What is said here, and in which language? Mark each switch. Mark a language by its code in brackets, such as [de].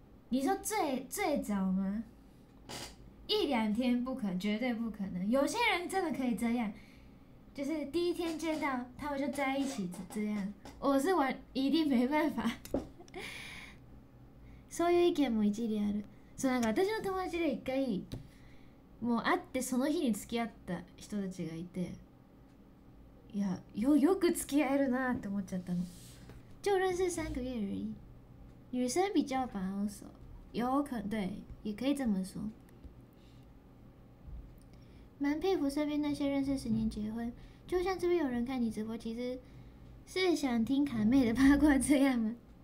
[zh] 你说最早吗？一两天不可能，绝对不可能。有些人真的可以这样，就是第一天见到他们就在一起这样。我是玩一定没办法。 [ja] そういう意見も一理ある。そうなんか私の友達で一回もう会ってその日に付き合った人たちがいて、いや よく付き合えるなって思っちゃったの。 [zh] 就认识三个月而已，女生比较保守，有可能对，也可以这么说。蛮佩服身边那些认识十年结婚，就像这边有人看你直播，其实是想听卡妹的八卦这样吗？